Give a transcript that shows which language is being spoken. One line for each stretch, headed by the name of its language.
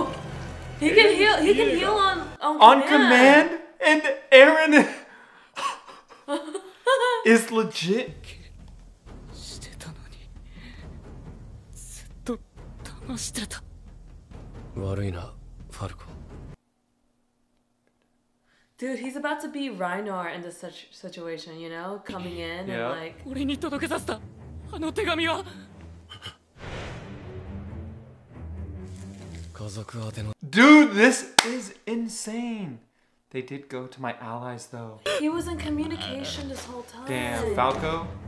English: oh, he can heal on command. On command? And Aaron is legit?
Japanese: してたのに、ずっと騙してた。悪いな、ファルコ。
English: Dude, he's about to be Reinar in this situation, you know? Coming in and like...
Japanese: 俺に届けさせた、あの手紙は。家族宛ての。
English: Dude, this is insane! They did go to my allies, though. He was in communication this whole time. Damn, Falco?